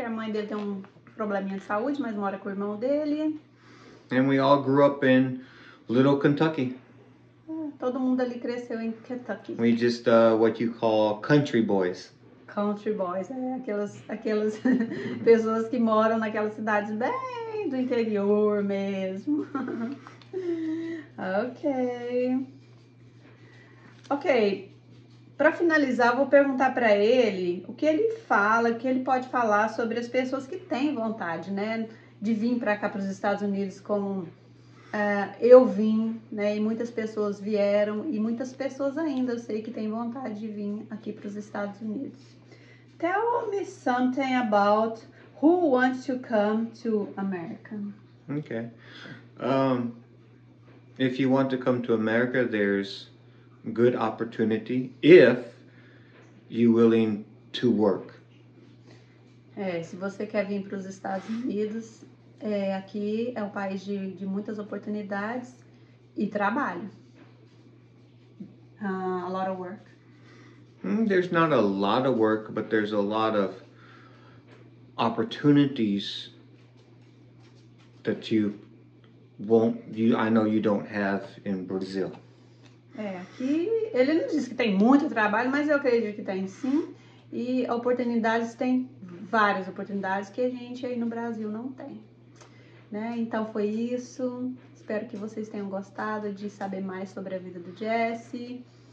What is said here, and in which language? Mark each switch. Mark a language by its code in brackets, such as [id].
[pt] A mãe dele tem um probleminha de saúde, mas mora com o irmão dele. [en] And we all grew up in little Kentucky. [pt] Todo mundo ali cresceu em Kentucky. [en] We just, what you call country boys. [pt] Country boys, aquelas pessoas que moram naquelas cidades bem do interior mesmo. Ok. Ok, para finalizar, vou perguntar para ele o que ele fala, o que ele pode falar sobre as pessoas que têm vontade, né, de vir para cá, para os Estados Unidos, como eu vim, né, e muitas pessoas vieram, e muitas pessoas ainda, eu sei que têm vontade de vir aqui para os Estados Unidos. [en] Tell me something about who wants to come to America. Okay. If you want to come to America, there's good opportunity if you're willing to work. [pt] Se você quer vir para os Estados Unidos, aqui é um país de muitas oportunidades e trabalho. [en] A lot of work. There's not a lot of work, but there's a lot of opportunities that I know you don't have in Brazil. [pt] Aqui ele não diz que tem muito trabalho, mas eu acredito que tem sim. E oportunidades, tem várias oportunidades que a gente aí no Brasil não tem. Né? Então foi isso. Espero que vocês tenham gostado de saber mais sobre a vida do Jesse.